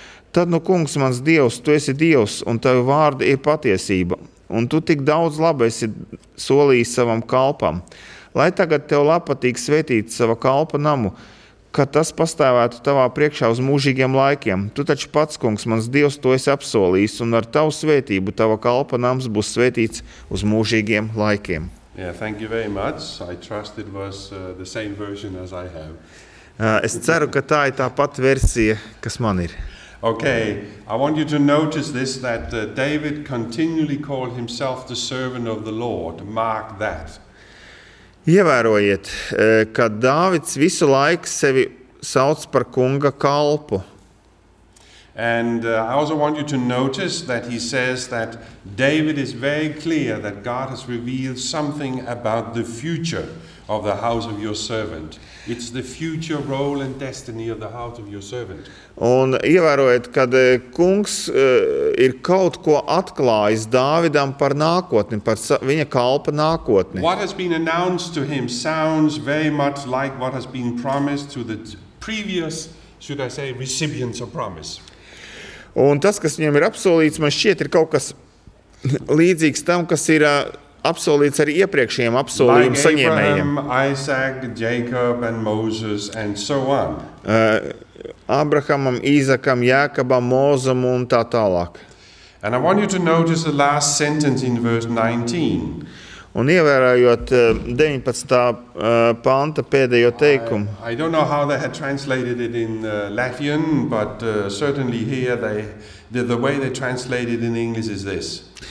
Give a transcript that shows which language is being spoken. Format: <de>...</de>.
<lv>Tad, nu, kungs mans Dievs, tu esi Dievs, un tavi vārdi ir patiesība, un tu tik daudz labi esi solījis savam kalpam, lai tagad tev labpatīk svētīt sava kalpa namu, ka tas pastāvētu tavā priekšā uz mūžīgiem laikiem. Tu taču pats, kungs, mans Dievs, to esi apsolījis, un ar tavu svētību tava kalpa nams būs svētīts uz mūžīgiem laikiem.</lv> <en>Yeah, thank you very much. I trust it was the same version as I have.</en> <lv>Es ceru, ka tā ir tā pati versija, kas man ir.</lv> <en>Okay, I want you to notice this, that David continually called himself the servant of the Lord. Mark that.</en> <lv>Ievērojiet, ka Dāvids visu laiku sevi sauc par kunga kalpu.</lv> <en>And I also want you to notice that he says that David is very clear that God has revealed something about the future of the house of your servant. It's the future role and destiny of the house of your servant.</en> <lv>Un ievērojiet, kad kungs ir kaut ko atklājis Dāvidam par nākotni, par viņa kalpa nākotni.</lv> <en>What has been announced to him sounds very much like what has been promised to the previous, should I say, recipients of promise.</en> <lv>Un tas, kas viņam ir apsolīts, man šķiet, ir kaut kas līdzīgs tam, kas ir apsolīts arī iepriekšējiem apsolījumu</lv> <en>like Abraham,</en> <lv>saņēmējiem.</lv> <en>Isaac, Jacob and Moses and so on.</en> <lv>Abrahamam, Īzakam, Jākabam, Mozam un tā tālāk.</lv> <en>And I want you to notice the last sentence in verse 19.</en> <lv>Un ievērojot 19. Panta pēdējo teikumu.</lv> <en>I don't know how they had translated it in Latvian, but certainly here they the way they translated in English is this.</en>